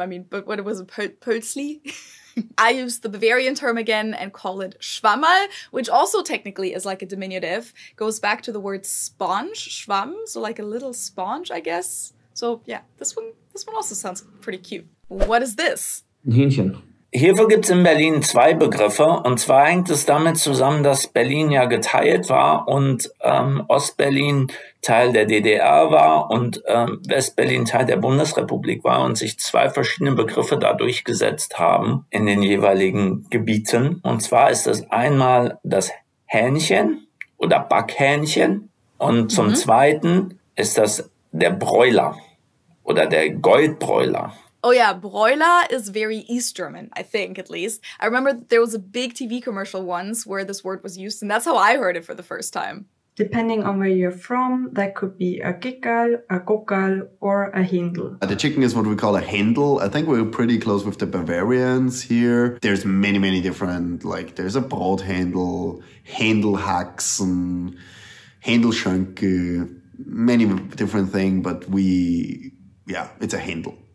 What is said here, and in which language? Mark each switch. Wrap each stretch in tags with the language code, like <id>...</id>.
<en>I mean, but what it was, Pötzli? I use the Bavarian term again and call it Schwammerl, which also technically is like a diminutive. Goes back to the word sponge, Schwamm, so like a little sponge, I guess. So yeah, this one also sounds pretty cute. What is this?</en> <de>Hähnchen. Hierfür gibt es in Berlin zwei Begriffe und zwar hängt es damit zusammen, dass Berlin ja geteilt war und Ost-Berlin Teil der DDR war und West-Berlin Teil der Bundesrepublik war und sich zwei verschiedene Begriffe da durchgesetzt haben in den jeweiligen Gebieten. Und zwar ist das einmal das Hähnchen oder Backhähnchen und zum zweiten ist das der Broiler oder der Goldbroiler.</de> <en>Oh yeah, Broiler is very East German, I think, at least. I remember there was a big TV commercial once where this word was used, and that's how I heard it for the first time. Depending on where you're from, that could be a Gickerl, a Guckerl, or a Händel. The chicken is what we call a Händel. I think we're pretty close with the Bavarians here. There's many, many different, like, there's a Brothändel, Händelhaxen, Händelschönke, many different things, but we, yeah, it's a Händel.</en>